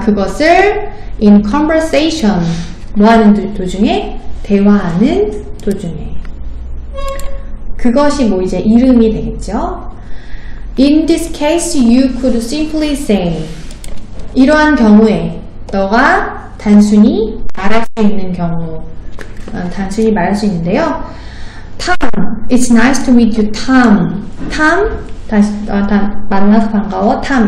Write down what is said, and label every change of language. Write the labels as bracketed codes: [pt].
[ko] 그것을 [en] in conversation [ko] 뭐하는 도중에 대화하는 도중에 그것이 뭐 이제 이름이 되겠죠. [en] In this case, you could simply say [ko] 이러한 경우에 너가 단순히 말할 수 있는 경우 단순히 말할 수 있는데요. [en] Tom, it's nice to meet you, Tom. [ko] Tom, 만나서 반가워, Tom.